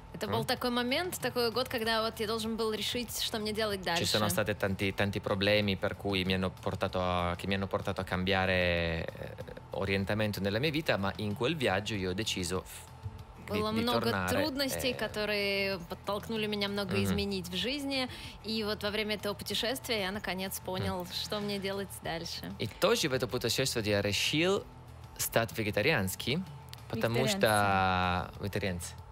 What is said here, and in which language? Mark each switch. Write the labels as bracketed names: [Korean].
[Russian] Это был такой момент, такой год, когда вот я должен был решить, что мне делать дальше. [Italian] Ci sono state tanti problemi per cui mi hanno portato a cambiare orientamento nella mia vita, ma in quel viaggio io ho deciso [Russian] Было много трудностей, которые подтолкнули меня много изменить в жизни. И вот во время этого путешествия я наконец понял, что мне делать дальше. И тоже в это путешествие я решил стать вегетарианским. Потому что вегетарианцы.